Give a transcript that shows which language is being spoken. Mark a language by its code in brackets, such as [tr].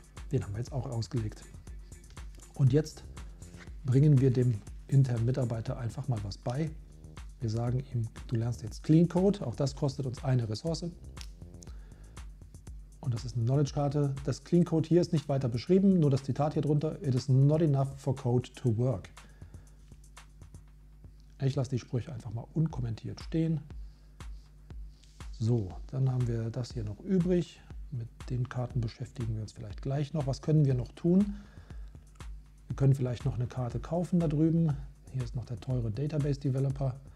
[de] Den haben wir jetzt auch ausgelegt. Und jetzt bringen wir dem internen Mitarbeiter einfach mal was bei. Wir sagen ihm, du lernst jetzt Clean Code. Auch das kostet uns eine Ressource. Und das ist eine Knowledge-Karte. Das Clean Code hier ist nicht weiter beschrieben, nur das Zitat hier drunter. [en] It is not enough for code to work. [de] Ich lasse die Sprüche einfach mal unkommentiert stehen. So, dann haben wir das hier noch übrig. Mit den Karten beschäftigen wir uns vielleicht gleich noch. Was können wir noch tun? Wir können vielleicht noch eine Karte kaufen da drüben. Hier ist noch der teure Database Developer.